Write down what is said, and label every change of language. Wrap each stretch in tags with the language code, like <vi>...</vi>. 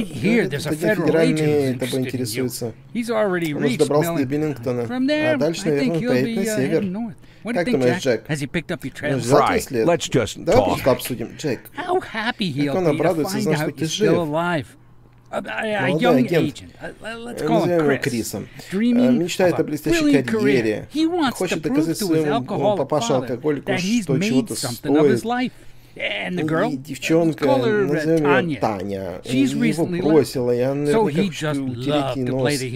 <en>hear there's a federal agent who's interested in you. He's already reached Millington. From there, I think he'll be heading north. What do you think, Jack? Has he picked up your trail? Фрай, let's just talk. How happy he'll be to find out you're still alive. A young agent. Let's call him Chris.</en> <ru>Dreaming мечтает о блестящей карьере.</ru> <en>He wants to prove to his alcoholic father that he's made something of his life. And the girl,</en> <ru>девчонка, назовем ее Таня, его бросила, я наверняка хочу утереть ей нос.</ru>